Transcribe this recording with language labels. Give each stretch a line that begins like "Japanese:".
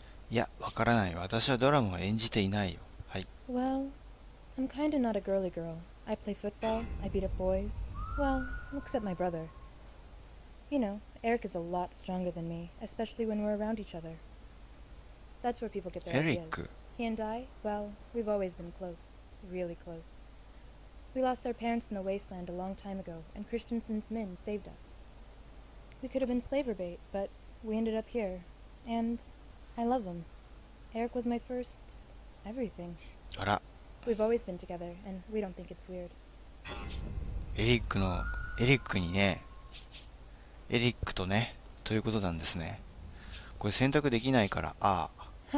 Japanese: いや、わからない。私はドラムを演じていないよ。はい。
English: Well, I'm kind of not a girly girl. I play football, I beat up boys. Well, except my brother. You know, Eric is a lot stronger than me, especially when we're around each other. That's where people get their ideas. He and I, well, we've always been close. Really close. We lost our parents in the wasteland a long time ago, and Christensen's men saved us. We could have been slaver bait, but we ended up here. And I love him. Eric was my first everything.
Japanese: あら。
English: We've always been together, and we don't think it's weird.
Japanese: エリックにね、エリックとね、ということなんですね。これ選択できないから、ああ。